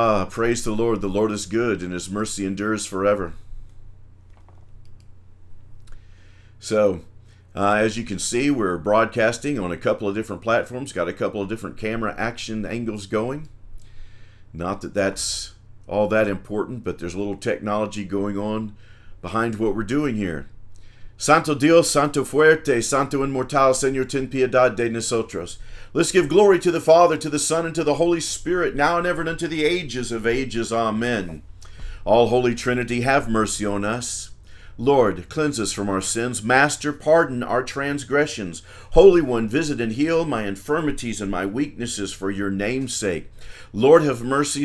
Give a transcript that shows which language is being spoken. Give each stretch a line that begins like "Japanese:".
English: Praise the Lord. The Lord is good and his mercy endures forever. So, As you can see, we're broadcasting on a couple of different platforms, got a couple of different camera action angles going. Not that that's all that important, but there's a little technology going on behind what we're doing here.
Spanish: Santo Dios, Santo Fuerte, Santo Inmortal, Señor, ten piedad de nosotros.
English: Let's give glory to the Father, to the Son, and to the Holy Spirit, now and ever and unto the ages of ages. Amen. All Holy Trinity, have mercy on us. Lord, cleanse us from our sins. Master, pardon our transgressions. Holy One, visit and heal my infirmities and my weaknesses for your name's sake. Lord, have mercy.